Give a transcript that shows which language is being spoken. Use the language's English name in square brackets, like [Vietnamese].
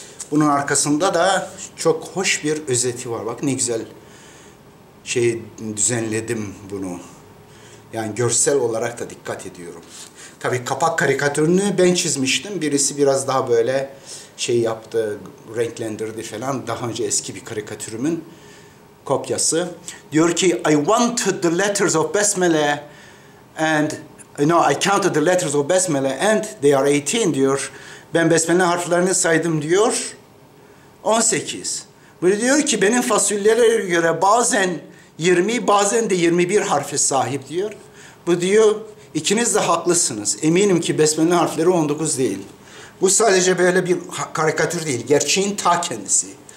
[Turkish] Bunun arkasında da çok hoş bir özeti var. Bak ne güzel şey düzenledim bunu. Yani görsel olarak da dikkat ediyorum. Tabii kapak karikatürünü ben çizmiştim. Birisi biraz daha böyle şey yaptı, renklendirdi falan. Daha önce eski bir karikatürümün kopyası. Diyor ki, [English] I wanted the letters of Besmele and, no, I counted the letters of Besmele and they are 18 [Turkish] diyor. Ben Besmele harflerini saydım diyor. 18. Böyle diyor ki benim fasüllere göre bazen 20, bazen de 21 harfe sahip diyor. Bu diyor ikiniz de haklısınız. Eminim ki Besmele harfleri 19 değil. Bu sadece böyle bir karikatür değil. Gerçeğin ta kendisi.